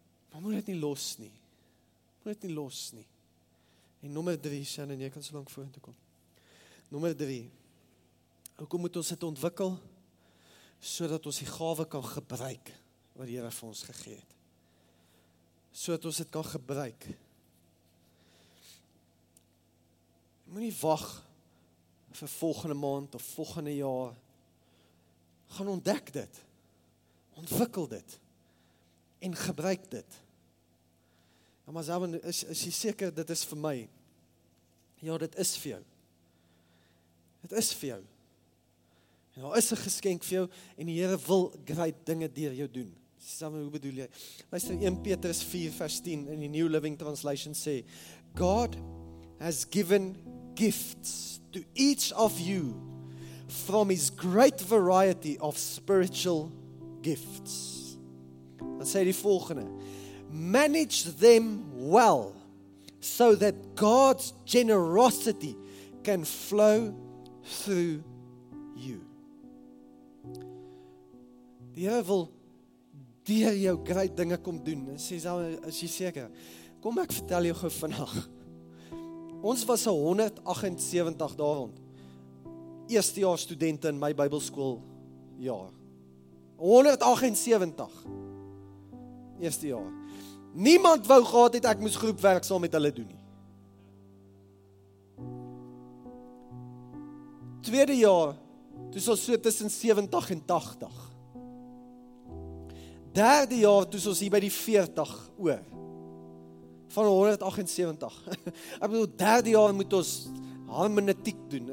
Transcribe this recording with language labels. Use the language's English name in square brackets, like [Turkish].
[Afrikaans] Maar moet dit nie los nie. Moet dit nie los nie. En nommer 3, Shannon, en jy kan so lank vorentoe kom. Nommer 3. Hoekom moet ons dit ontwikkel? Sodat ons die gawe kan gebruik wat die Here vir ons gegee het. Sodat ons dit kan gebruik. Moenie wag vir volgende maand of volgende jaar. Gaan ontdek dit. Ontwikkel dit. En gebruik dit. Ja, maar Zabon, is jy seker dit is vir my? Ja, dit is vir jou. Dit is vir jou. En daar is 'n geskenk vir jou en die Here wil great dinge deur jou doen. Zabon, hoe bedoel jy? Luister, 1 Petrus 4 vers 10 in die New Living Translation sê, [English] God has given gifts to each of you from his great variety of spiritual gifts. [Afrikaans] Dan sê die volgende, [English] manage them well so that God's generosity can flow through you. [Afrikaans] Die Here wil deur jou great dinge kom doen. Sê jy is jy seker? Kom ek vertel jou gou vandag. Ons was 178 dae rond. Eerste jaar studente in my Bybelskool jaar. 178. Eerste jaar. Niemand wou gehad het ek moes groepwerk saam met hulle doen nie. Tweede jaar, toes ons so tussen 70 en 80. Derde jaar, toes ons hier by die 40 oor. Van 178. Ek bedoel, derde jaar moet ons hermeneutiek doen.